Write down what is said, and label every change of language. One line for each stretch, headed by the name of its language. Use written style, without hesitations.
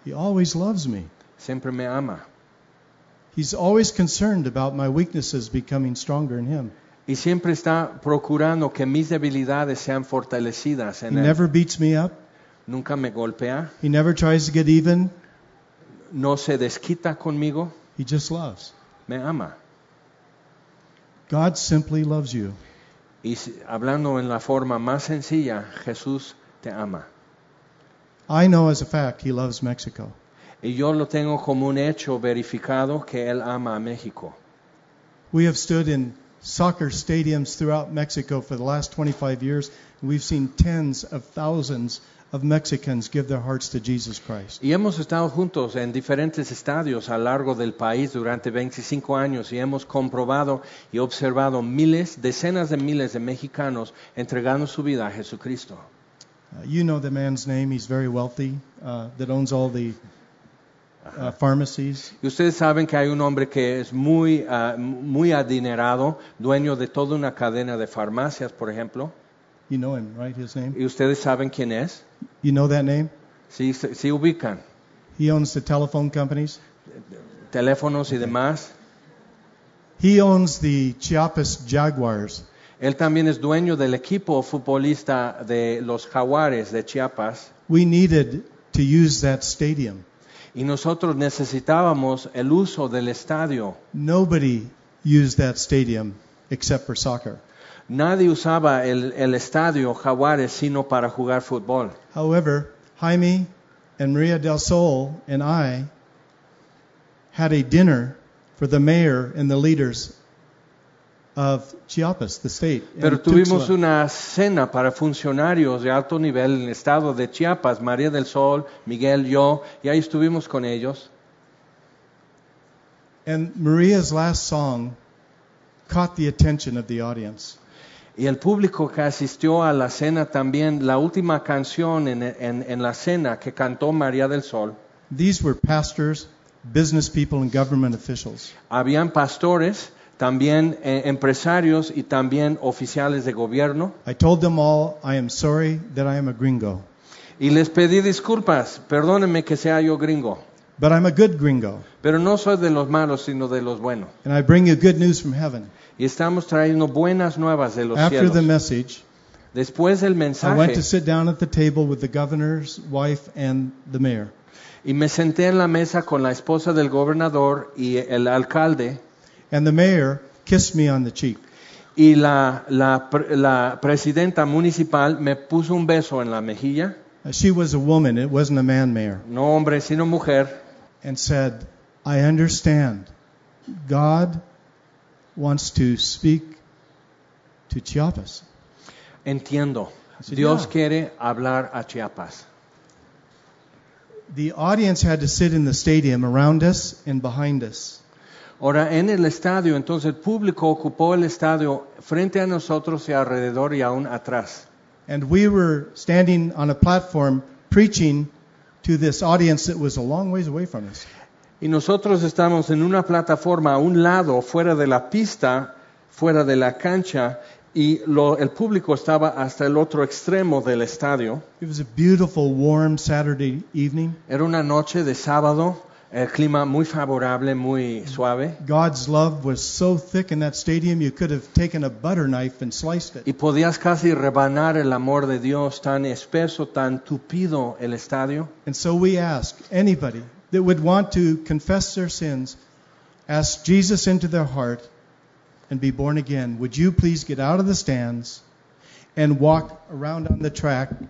English: He always loves me.
Spanish: Siempre me ama.
English: He's always concerned about my weaknesses becoming stronger in him.
Spanish: Y siempre está procurando que mis debilidades sean fortalecidas en él.
English: He never beats me up.
Spanish: Nunca me golpea.
English: He never tries to get even.
Spanish: No se desquita conmigo.
English: He just loves.
Spanish: Me ama.
English: God simply loves you.
Spanish: Y hablando en la forma más sencilla, Jesús te ama.
English: I know as a fact he loves Mexico.
Spanish: Y yo lo tengo como un hecho verificado que él ama a México.
English: We have stood in soccer stadiums throughout Mexico for the last 25 years. We've seen tens of thousands of Mexicans give their hearts to Jesus Christ.
Spanish: Y hemos estado juntos en diferentes estadios a largo del país durante 25 años y hemos comprobado y observado miles, decenas de miles de mexicanos entregando su vida a Jesucristo.
English: You know the man's name, he's very wealthy, that owns all the pharmacies.
Spanish: Y ustedes saben que hay un hombre que es muy muy adinerado, dueño de toda una cadena de farmacias, por ejemplo.
English: You know him, right? His name.
Spanish: ¿Y ustedes saben quién es?
English: You know that name?
Spanish: Sí, sí ubican.
English: He owns the telephone companies.
Spanish: Teléfonos y demás.
English: He owns the Chiapas Jaguars.
Spanish: Él también es dueño del equipo futbolista de los Jaguares de Chiapas.
English: We needed to use that stadium.
Spanish: Y nosotros necesitábamos el uso del estadio.
English: Nobody used that stadium except for soccer.
Spanish: Nadie usaba el estadio Jaguares sino para jugar fútbol.
English: However, Jaime and Maria del Sol and I had a dinner for the mayor and the leaders of Chiapas, the state.
Spanish: Pero tuvimos una cena para funcionarios de alto nivel en el estado de Chiapas, María del Sol, Miguel, yo, y ahí estuvimos con ellos.
English: And Maria's last song caught the attention of the audience.
Spanish: Y el público que asistió a la cena también, la última canción en la cena que cantó María del Sol.
English: These were pastors, business people, and government officials.
Spanish: Habían pastores, también empresarios y también oficiales de gobierno.
English: I told them all, I am sorry that I am a gringo.
Spanish: Y les pedí disculpas, perdónenme que sea yo gringo.
English: But I'm a good gringo.
Spanish: Pero no soy de los malos, sino de los buenos.
English: And I bring you good news from heaven.
Spanish: Y estamos trayendo buenas nuevas de los
English: After
Spanish: cielos.
English: The message,
Spanish: Después del mensaje,
English: I went to sit down at the table with the governor's wife and the mayor.
Spanish: Y me senté en la mesa con la esposa del gobernador y el alcalde.
English: And the mayor kissed me on the cheek.
Spanish: Y la presidenta municipal me puso un beso en la mejilla.
English: She was a woman, it wasn't a man mayor.
Spanish: No hombre, sino mujer.
English: And said, I understand. God wants to speak to Chiapas.
Spanish: Entiendo. Dios quiere hablar a Chiapas.
English: The audience had to sit in the stadium around us and behind us.
Spanish: Ahora, en el estadio, entonces el público ocupó el estadio frente a nosotros y alrededor y aún atrás.
English: And we were standing on a platform preaching to this audience that was a long ways away from us.
Spanish: Y nosotros estamos en una plataforma a un lado, fuera de la pista, fuera de la cancha, y el público estaba hasta el otro extremo del estadio.
English: It was a beautiful, warm Saturday evening.
Spanish: Era una noche de sábado. El clima muy favorable, muy suave.
English: God's love was so thick in that stadium you could have taken a butter knife and sliced it.
Spanish: Y podías casi rebanar el amor de Dios tan espeso, tan tupido el estadio.
English: And so we ask anybody that would want to confess their sins, ask Jesus into their heart and be born again. Would you please get out of the stands and walk around on the track?